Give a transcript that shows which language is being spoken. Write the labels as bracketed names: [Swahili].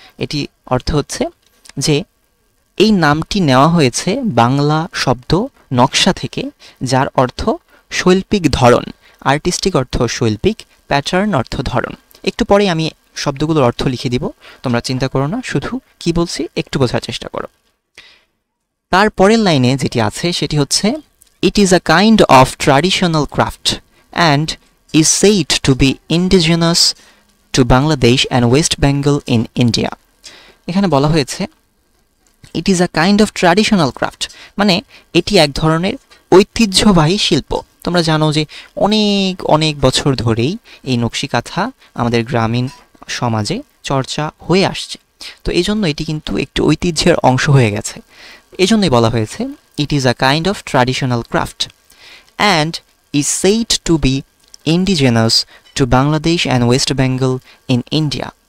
[Bangla] এটি অর্থ হচ্ছে যে এই নামটি নেওয়া হয়েছে বাংলা শব্দ নকশা থেকে, যার অর্থ শৈল্পিক ধরন, আর্টিস্টিক অর্থ শৈল্পিক, প্যাটার্ন অর্থ ধরন। একটু পরে আমি শব্দগুলোর অর্থ লিখে দিব, তোমরা চিন্তা করো না, শুধু কী বলছি একটু বোঝার চেষ্টা করো। তারপরের লাইনে যেটি আছে সেটি হচ্ছে [English] It is a kind of traditional craft and is said to be indigenous to Bangladesh and West Bengal in India. [Bangla] এখানে বলা হয়েছে [English] it is a kind of traditional craft, [Bangla] মানে এটি এক ধরনের ঐতিহ্যবাহী শিল্প। তোমরা জানো যে অনেক অনেক বছর ধরেই এই নকশি কাঁথা আমাদের গ্রামীণ সমাজে চর্চা হয়ে আসছে। তো এই জন্য এটি কিন্তু একটু ঐতিহ্যের অংশ হয়ে গেছে। এই জন্যই বলা হয়েছে [English] It is a kind of traditional craft and is said to be indigenous to Bangladesh and West Bengal in India.